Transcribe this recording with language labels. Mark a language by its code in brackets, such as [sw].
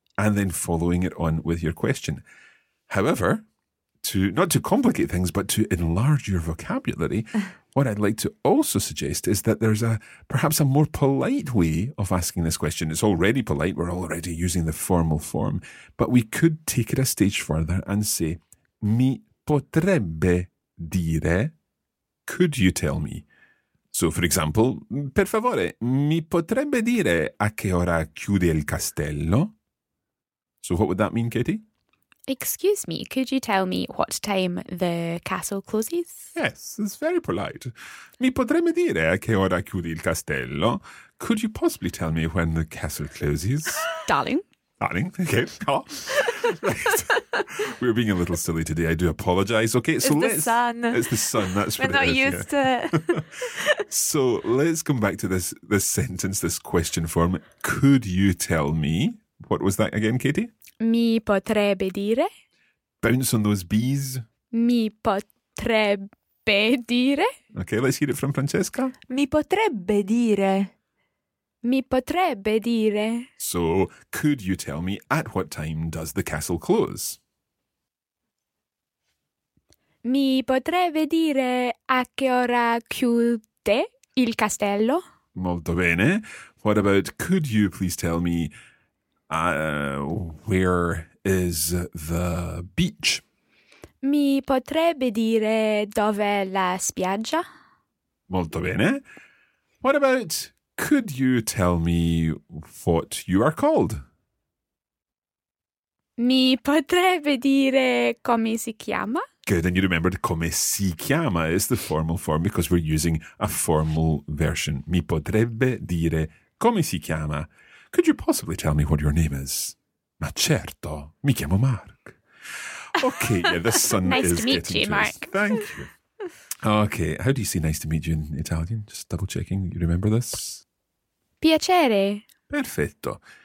[en] And then following it on with your question. However, to not to complicate things, but to enlarge your vocabulary, what I'd like to also suggest is that there's a perhaps a more polite way of asking this question. It's already polite. We're already using the formal form. But we could take it a stage further and say, [it] mi potrebbe dire, [en] could you tell me? So, for example, [it] per favore, mi potrebbe dire a che ora chiude il castello? [en] So what would that mean, Katie? Excuse me, could you tell me what time the castle closes? Yes, it's very polite. [it] Mi potremmo dire a che ora chiude il castello? [en] Could you possibly tell me when the castle closes? Darling. Darling, okay. Oh. We're being a little silly today, I do apologise. Okay, so it's the sun. It's the sun, that's We're what it is. We're not used yeah. to it. So let's come back to this sentence, this question form. Could you tell me, what was that again, Katie? [it] Mi potrebbe dire. [en] Bounce on those bees. [it] Mi potrebbe dire. [en] Okay, let's hear it from Francesca. [it] Mi potrebbe dire. Mi potrebbe dire. [en] So, could you tell me at what time does the castle close? [it] Mi potrebbe dire a che ora chiude il castello? Molto bene. [en] What about, could you please tell me where is the beach? [it] Mi potrebbe dire dov'è la spiaggia? Molto bene. [en] What about, could you tell me what you are called? [it] Mi potrebbe dire come si chiama? [en] Good, and you remembered [it] come si chiama [en] is the formal form because we're using a formal version. [it] Mi potrebbe dire come si chiama? [en] Could you possibly tell me what your name is? [it] Ma certo, mi chiamo Mark. [en] Okay, yeah, the sun nice is getting Nice to meet you, Mark. Just, thank you. Okay, how do you say nice to meet you in Italian? Just double checking, you remember this? [it] Piacere. Perfetto.